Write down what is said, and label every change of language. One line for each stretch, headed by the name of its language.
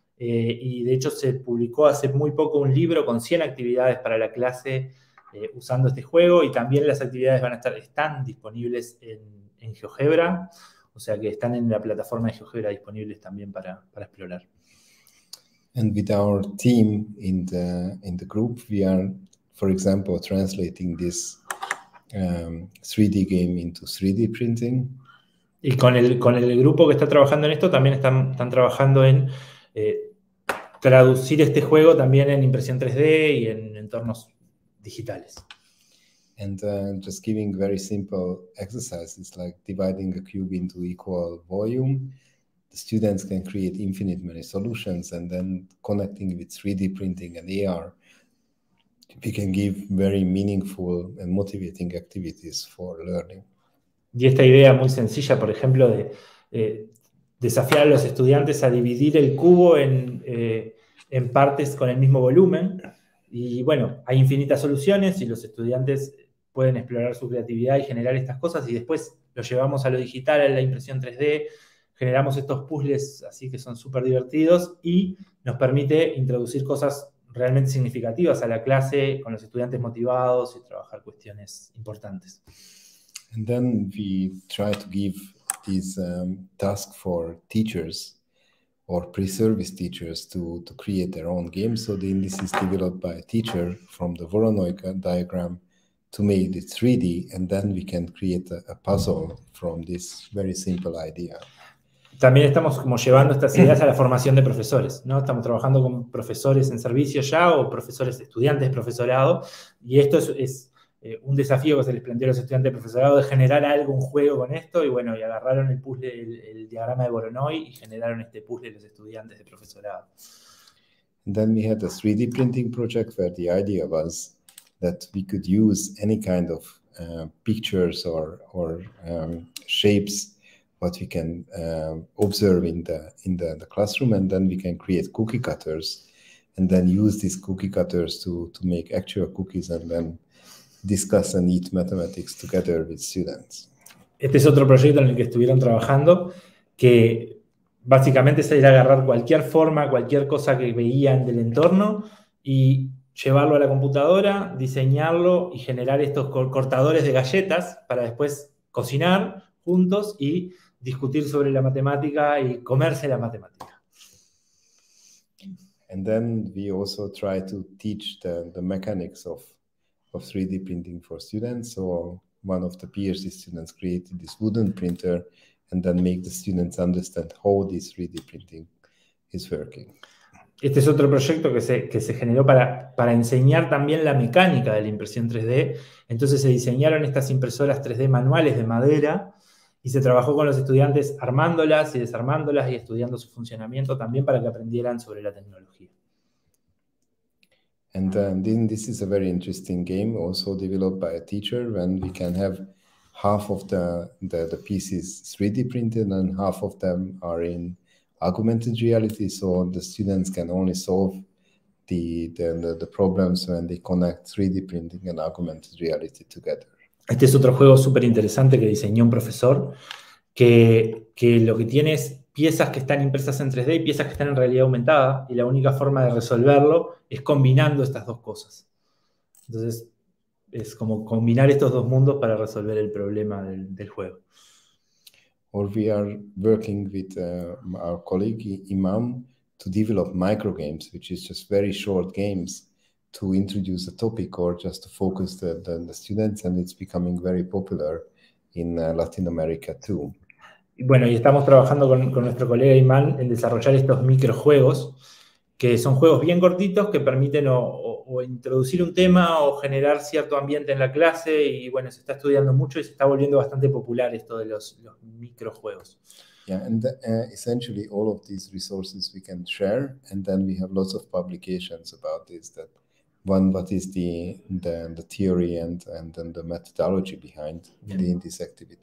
Spanish: Y de hecho se publicó hace muy poco un libro con 100 actividades para la clase usando este juego, y también las actividades están disponibles en GeoGebra, o sea que están en la plataforma de GeoGebra disponibles también para explorar.
English: And with our team in the group, we are, for example, translating this 3D game into 3D printing.
Spanish: Y con el grupo que está trabajando en esto también están trabajando en traducir este juego también en impresión 3D y en entornos digitales.
English: And just giving very simple exercises like dividing a cube into equal volume, the students can create infinite many solutions, and then connecting with 3D printing and AR, we can give very meaningful and motivating activities for learning.
Spanish: Y esta idea muy sencilla, por ejemplo, de desafiar a los estudiantes a dividir el cubo en partes con el mismo volumen. Y bueno, hay infinitas soluciones y los estudiantes pueden explorar su creatividad y generar estas cosas, y después lo llevamos a lo digital, a la impresión 3D, generamos estos puzzles así que son súper divertidos y nos permite introducir cosas realmente significativas a la clase con los estudiantes motivados y trabajar cuestiones importantes.
English: And then we try to give this task for teachers or pre-service teachers to create their own game. So the index is developed by a teacher from the Voronoi diagram to make it 3D, and then we can create a puzzle from this very simple idea.
Spanish: También estamos como llevando estas ideas a la formación de profesores, ¿no? Estamos trabajando con profesores en servicio ya, o profesores, estudiantes, profesorado, y esto es un desafío que se les planteó a los estudiantes de profesorado, de generar algo, un juego con esto, y bueno, y agarraron el puzzle, el diagrama de Voronoi, y generaron este puzzle los estudiantes de profesorado.
English: And then we had a 3D printing project where the idea was that we could use any kind of pictures or shapes what we can observe in the classroom, and then we can create cookie cutters and then use these cookie cutters to make actual cookies and then discuss and eat mathematics together with students.
Spanish: Este es otro proyecto en el que estuvieron trabajando, que básicamente es ir a agarrar cualquier forma, cualquier cosa que veían del entorno y llevarlo a la computadora, diseñarlo y generar estos cortadores de galletas para después cocinar juntos y discutir sobre la matemática y comerse la matemática.
English: And then we also try to teach the mechanics of 3D printing for students. So one of the PhD students created this wooden printer and then make the students understand how this 3D printing is working.
Spanish: Este es otro proyecto que se generó para enseñar también la mecánica de la impresión 3D. Entonces se diseñaron estas impresoras 3D manuales de madera, y se trabajó con los estudiantes armándolas y desarmándolas y estudiando su funcionamiento también para que aprendieran sobre la tecnología.
English: And then this is a very interesting game also developed by a teacher, when we can have half of the pieces 3D printed and half of them are in augmented reality, so the students can only solve the problems when they connect 3D printing and augmented reality together.
Spanish: Este es otro juego súper interesante que diseñó un profesor, que lo que tiene es piezas que están impresas en 3D y piezas que están en realidad aumentada, y la única forma de resolverlo es combinando estas dos cosas. Entonces, es como combinar estos dos mundos para resolver el problema del juego.
English: Or we are working with our colleague Imam to develop microgames, which is just very short games to introduce a topic or just to focus the students, and it's becoming very popular in Latin America too.
Spanish: Bueno, y estamos trabajando con nuestro colega Imam en desarrollar estos microjuegos, que son juegos bien cortitos que permiten o introducir un tema o generar cierto ambiente en la clase, y bueno, se está estudiando mucho y se está volviendo bastante popular esto de los microjuegos.
English: Yeah, and essentially all of these resources we can share, and then we have lots of publications about this, that one, what is the theory and then the methodology behind this activity.